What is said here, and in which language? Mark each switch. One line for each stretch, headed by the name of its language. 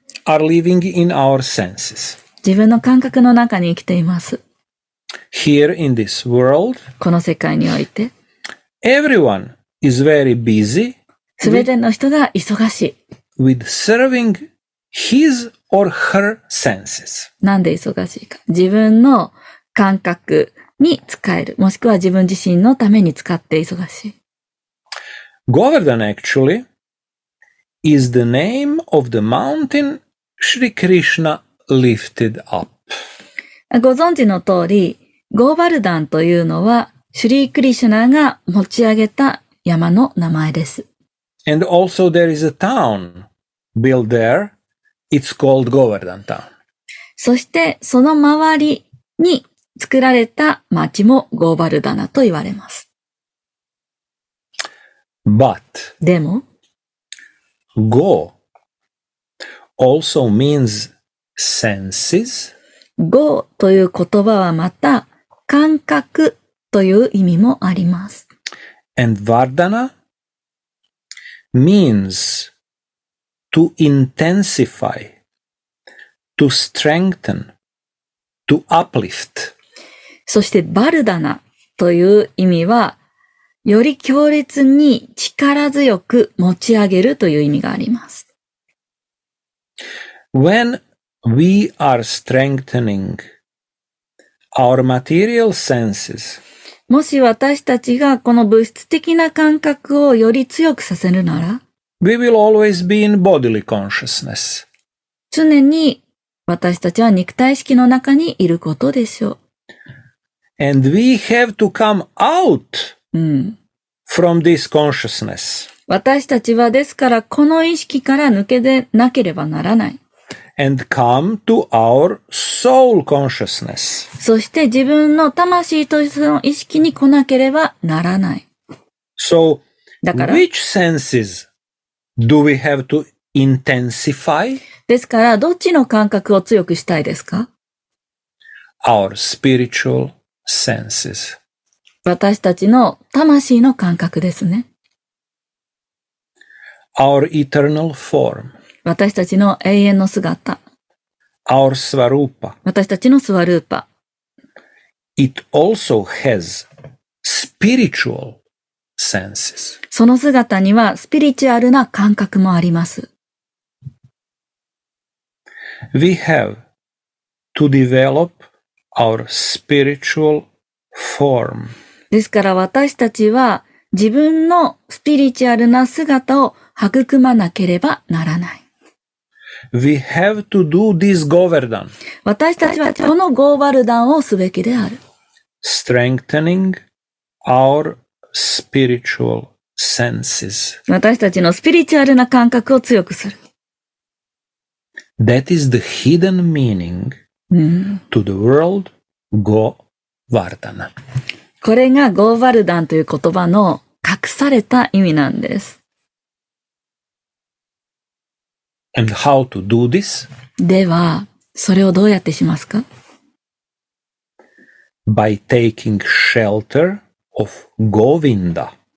English: are living in our senses.
Japanese: 自分の感覚の中に生きています。
English: Here in this world
Japanese: この世界において
English: Everyone is very busy.
Japanese: すべての人が忙しい。
English: With serving his or her senses.
Japanese: なんで忙しいか。自分の感覚に使える。もしくは自分自身のために使って忙しい。
English: Govardhan actually is the name of the mountain Shri Krishna lifted up.
Japanese: ご存知の通り、ゴーバルダンというのはシュリー・クリシュナが持ち上げた山の名前です。
English: And also there is a town built there. It's called Govardhan Town.
Japanese: そしてその周りに作られた町もゴーバルダナと言われます。
English: But
Japanese: でも
English: Go also means senses.
Japanese: Go という言葉はまた感覚という意味もあります。
English: And Vardhana means to intensify, to strengthen, to uplift.
Japanese: そして Vardhana という意味は、より強烈に力強く持ち上げるという意味があります。
English: When we are strengthening our material senses,
Japanese: もし私たちがこの物質的な感覚をより強くさせるなら、
English: We will always be in bodily consciousness.
Japanese: 常に私たちは肉体式の中にいることでしょう。
English: And we have to come out from this consciousness.
Japanese: 私たちはですからこの意識から抜け出なければならない。
English: And come to our soul consciousness.
Japanese: そして自分の魂としての意識に来なければならない。
English: So, which senses do we have to intensify?
Japanese: ですから、どっちの感覚を強くしたいですか?
English: Our spiritual senses.
Japanese: 私たちの魂の感覚ですね。
English: Our eternal form.
Japanese: 私たちの永遠の姿。
English: Our Svarupa.
Japanese: 私たちのスワルーパ。
English: It also has spiritual senses.
Japanese: その姿にはスピリチュアルな感覚もあります。
English: We have to develop our spiritual form.
Japanese: ですから私たちは自分のスピリチュアルな姿を育まなければならない。
English: We have to do this Govardhan.
Japanese: 私たちはこのゴーバルダンをすべきである。
English: Strengthening our spiritual senses.
Japanese: 私たちのスピリチュアルな感覚を強くする。
English: That is the hidden meaning to the world Govardhana.
Japanese: これがゴーバルダンという言葉の隠された意味なんです。
English: And how to do this?
Japanese: では、それをどうやってしますか?
English: By taking shelter of Govinda.